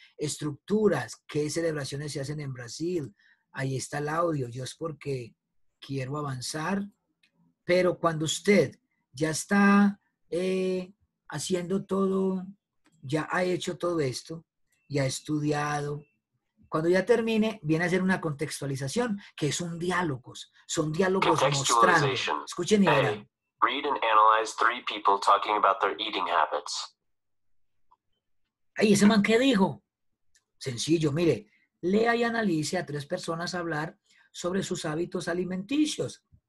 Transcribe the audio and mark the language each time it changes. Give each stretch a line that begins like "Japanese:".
Spanish: Estructuras, qué celebraciones se hacen en Brasil. Ahí está el audio, yo es porque quiero avanzar. Pero cuando usted ya está haciendo todo, ya ha hecho todo esto y ha estudiado, Cuando ya termine, viene a ser una contextualización, que son diálogos. Son diálogos mostrando. Escuchen y vean.
English: Read and analyze three people talking about their eating habits.
Spanish: Ay, ¿ese man qué dijo? Sencillo, mire. Lea y analice a tres personas hablar sobre sus hábitos alimenticios.